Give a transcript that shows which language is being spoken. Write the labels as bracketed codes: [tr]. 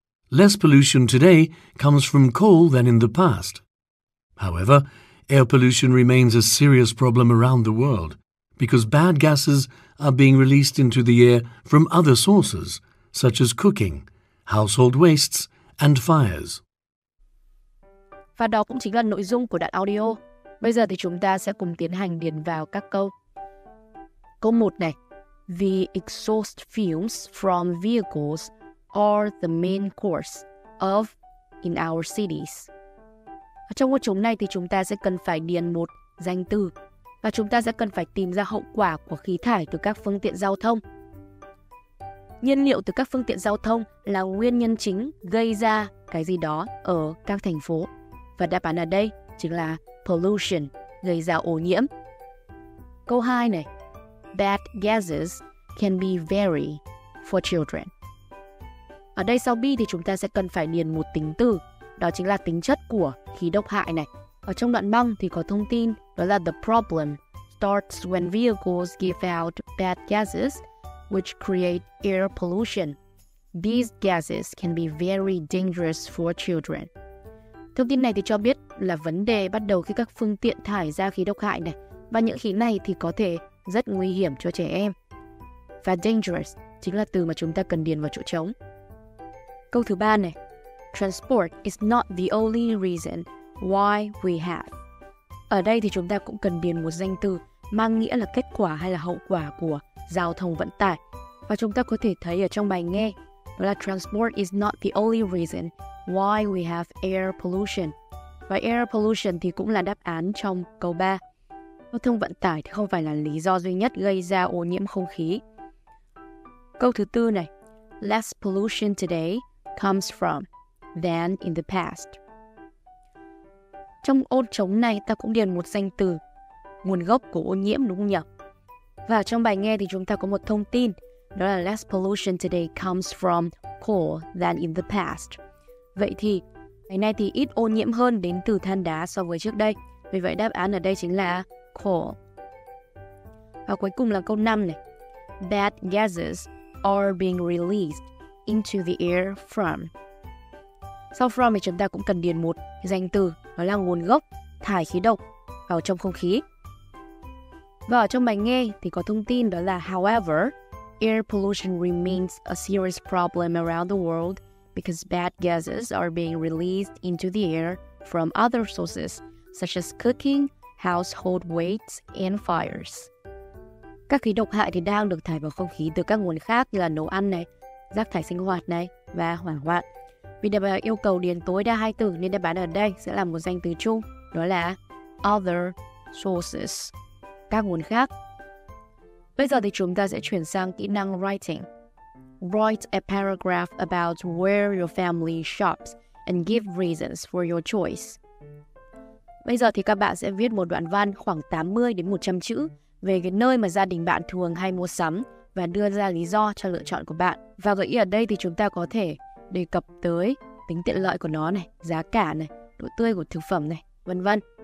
[en] Less pollution today comes from coal than in the past. However, air pollution remains a serious problem around the world because bad gases are being released into the air from other sources, such as cooking, household wastes, and fires. [vi] Và đó cũng chính là nội dung của đoạn audio. Bây giờ thì chúng ta sẽ cùng tiến hành điền vào các câu. Câu 1 này. [en] The exhaust fumes from vehicles are the main cause of in our cities. [vi] Trong câu trống này thì chúng ta sẽ cần phải điền một danh từ và chúng ta sẽ cần phải tìm ra hậu quả của khí thải từ các phương tiện giao thông. Nhiên liệu từ các phương tiện giao thông là nguyên nhân chính gây ra cái gì đó ở các thành phố. Và đáp án ở đây chính là pollution, gây ra ô nhiễm. Câu 2 này. [en] Bad gases can be very for children. [vi] Ở đây sau B thì chúng ta sẽ cần phải điền một tính từ, đó chính là tính chất của khí độc hại này. Ở trong đoạn măng thì có thông tin đó là [en] the problem starts when vehicles give out bad gases which create air pollution. These gases can be very dangerous for children. [vi] Thông tin này thì cho biết là vấn đề bắt đầu khi các phương tiện thải ra khí độc hại này và những khí này thì có thể rất nguy hiểm cho trẻ em. Và dangerous chính là từ mà chúng ta cần điền vào chỗ trống. Câu thứ ba này. [en] Transport is not the only reason why we have. [vi] Ở đây thì chúng ta cũng cần điền một danh từ mang nghĩa là kết quả hay là hậu quả của giao thông vận tải. Và chúng ta có thể thấy ở trong bài nghe đó là [en] transport is not the only reason why we have air pollution. [vi] Và air pollution thì cũng là đáp án trong câu 3. Giao thông vận tải thì không phải là lý do duy nhất gây ra ô nhiễm không khí. Câu thứ tư này. [en] Less pollution today comes from than in the past. [vi] Trong ô trống này ta cũng điền một danh từ, nguồn gốc của ô nhiễm đúng không nhỉ? Và trong bài nghe thì chúng ta có một thông tin, đó là [en] less pollution today comes from coal than in the past. [vi] Vậy thì ngày nay thì ít ô nhiễm hơn đến từ than đá so với trước đây. Vì vậy đáp án ở đây chính là coal. Và cuối cùng là câu 5 này. Bad gases are being released into the air from. Sau from thì chúng ta cũng cần điền một danh từ, đó là nguồn gốc thải khí độc vào trong không khí. Và ở trong bài nghe thì có thông tin đó là [en] however, air pollution remains a serious problem around the world because bad gases are being released into the air from other sources such as cooking, household wastes and fires. [vi] Các khí độc hại thì đang được thải vào không khí từ các nguồn khác như là nấu ăn này, rác thải sinh hoạt này và hỏa hoạn. Vì đáp án yêu cầu điền tối đa hai từ nên đáp án ở đây sẽ là một danh từ chung, đó là [en] other sources, [vi] các nguồn khác. Bây giờ thì chúng ta sẽ chuyển sang kỹ năng writing. [en] Write a paragraph about where your family shops and give reasons for your choice. [vi] Bây giờ thì các bạn sẽ viết một đoạn văn khoảng 80 đến 100 chữ về cái nơi mà gia đình bạn thường hay mua sắm và đưa ra lý do cho lựa chọn của bạn. Và gợi ý ở đây thì chúng ta có thể đề cập tới tính tiện lợi của nó này, giá cả này, độ tươi của thực phẩm này, vân vân.